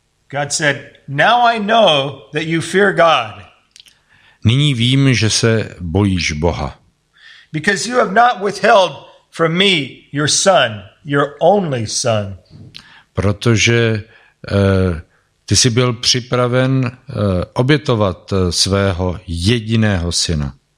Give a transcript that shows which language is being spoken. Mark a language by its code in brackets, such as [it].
[en] God said, "Now I know that you fear God." [cs] Nyní vím, že se bojíš Boha. [en] Because you have not withheld from me your son, your only son. [cs] Protože ty jsi byl připraven obětovat svého jediného syna.